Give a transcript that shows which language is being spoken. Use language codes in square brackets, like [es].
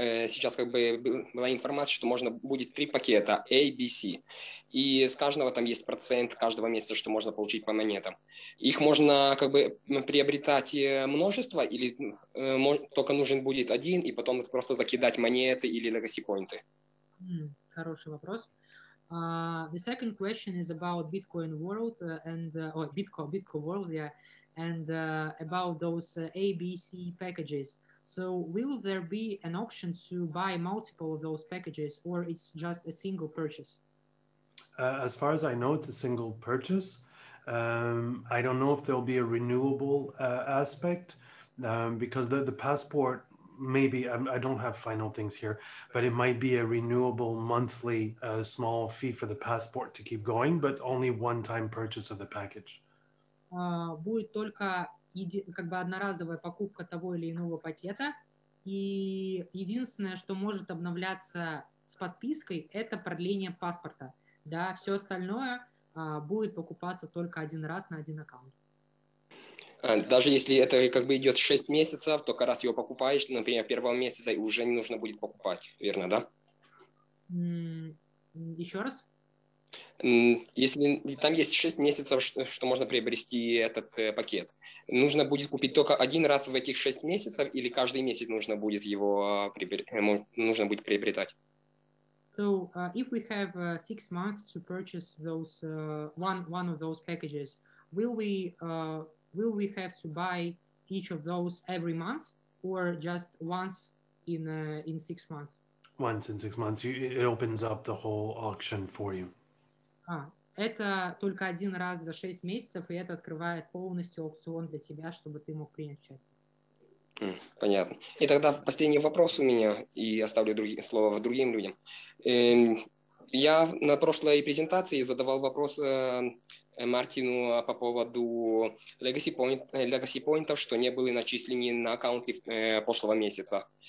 [ru] Сейчас как бы была информация, что можно будет три пакета A, B, C. И с каждого там есть процент каждого месяца, что можно получить по монетам. Их можно как бы приобретать множество или только нужен будет один и потом просто закидать монеты или legacy point? Хороший вопрос. [en] The second question is about Bitcoin World and Bitcoin World, yeah, and about those ABC packages. So will there be an option to buy multiple of those packages, or it's just a single purchase? As far as I know, it's a single purchase. I don't know if there'll be a renewable aspect because the passport, maybe, I don't have final things here, but it might be a renewable monthly small fee for the passport to keep going, but only one-time purchase of the package. [ru] Будет только как бы одноразовая покупка того или иного пакета, и единственное, что может обновляться с подпиской, это продление паспорта. Да, все остальное будет покупаться только один раз на один аккаунт. Даже если это как бы идет 6 месяцев, только раз его покупаешь, например, первого месяца, и уже не нужно будет покупать, верно, да? Еще раз? Если там есть 6 месяцев, что можно приобрести этот пакет, нужно будет купить только один раз в этих 6 месяцев или каждый месяц нужно будет его нужно будет приобретать? [en] So, if we have 6 months to purchase those one of those packages, will we have to buy each of those every month or just once in 6 months? Once in 6 months, it opens up the whole auction for you. [ru] Это только один раз за 6 месяцев, и это открывает полностью аукцион для тебя, чтобы ты мог принять участие. Понятно. И тогда последний вопрос у меня, и оставлю слово другим людям. Я на прошлой презентации задавал вопрос Мартину по поводу legacy point, что не были начислены на аккаунты прошлого месяца.